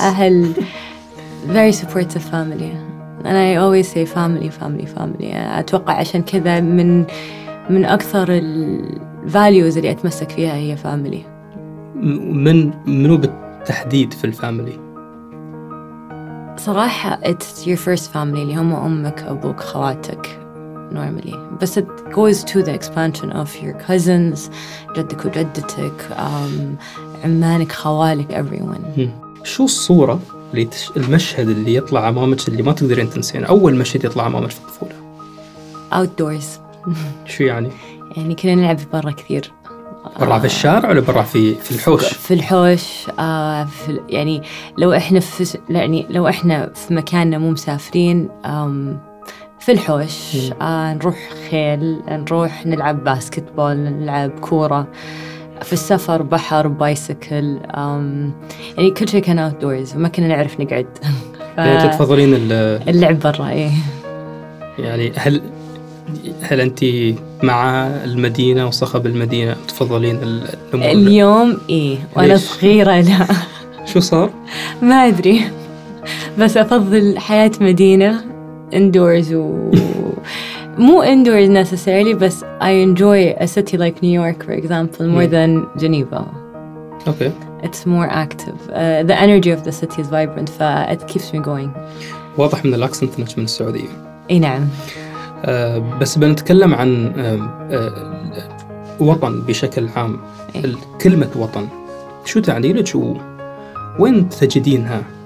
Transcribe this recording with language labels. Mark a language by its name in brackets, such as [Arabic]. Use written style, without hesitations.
[Arabic] أهل [English] very supportive family and I always say family family family. [Arabic] أتوقع عشان كذا من أكثر الفاليوز اللي أتمسك فيها هي فاميلي. منو بالتحديد في الفاميلي؟ صراحة [English] it's your first family [Arabic] اللي هم أمك أبوك خواتك [English] normally, but it goes to the expansion of your cousins, [Arabic] جدك وجدتك, عمانك خوالك [English] everyone. [Arabic] شو الصورة اللي المشهد اللي يطلع أمامك اللي ما تقدرين تنسين؟ أول مشهد يطلع أمامك في الطفولة. [English] Outdoors. [Arabic] شو يعني؟ يعني كنا نلعب برا كثير. برا في الشارع ولا برا في الحوش؟ في الحوش. في يعني لو احنا في يعني لو احنا في مكاننا مو مسافرين في الحوش. نروح خيل, نروح نلعب باسكتبول, نلعب كورة في السفر, بحر, بايسيكل, يعني كل شيء كان outdoors وما كنا نعرف نقعد. تفضلين اللعب برا؟ ايه. يعني هل أنت مع المدينة وصخب المدينة تفضلين الأمور اليوم؟ إيه, وأنا صغيرة لا. شو صار؟ ما أدري, بس أفضل حياة مدينة [English] indoors [Arabic] و مو [English] indoors necessarily, بس I enjoy a city like New York for example more than Geneva. Okay. It's more active. The energy of the city is vibrant, ف it keeps me going. [Arabic] واضح من الأكسنت أنك من السعودية. إيه نعم. بس بنتكلم عن وطن بشكل عام. كلمة وطن شو تعني لك؟ وين تجدينها؟